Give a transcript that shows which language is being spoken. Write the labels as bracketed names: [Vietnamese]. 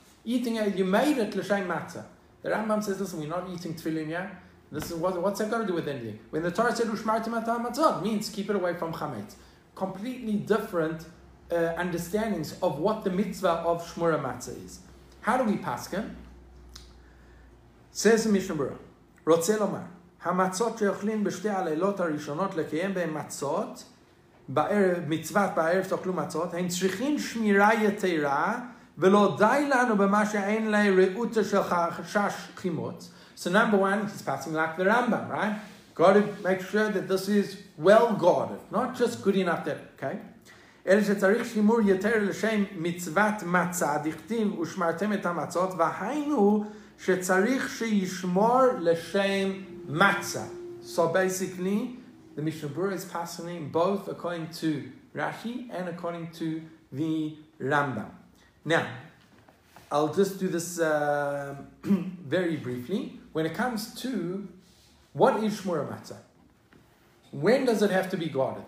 [English] Eating it, you made it l'shem matzah. The Rambam says, listen, we're not eating tefillin, yeah? This is what's that got to do with anything? When the Torah said, [Hebrew] Ushmartim atah matzot, [English] means keep it away from chametz. Completely different understandings of what the mitzvah of shmura matzah is. How do we paskin? [Hebrew] Says the Mishnah Berurah, רוצה לומר, המצות שאוכלים בשתי הלילות הראשונות לקיים בהם מצות, מצוות בערב תאכלו מצות, הם צריכים שמירה יתרה, ולא די לנו במה שאין לה ראות של חשש חימוץ. [English] So number one, he's passing like the Rambam, right? Got to make sure that this is well guarded, not just good enough that, okay? [Hebrew] אלא שצריך שימור יתר לשם מצוות מצה, דכתיב ושמרתם את המצות, והיינו שצריך שישמור לשם מצה. [English] So basically, the Mishnah Berurah is passing both according to Rashi and according to the Rambam. Now, I'll just do this very briefly. When it comes to what is shmura matzah? When does it have to be guarded?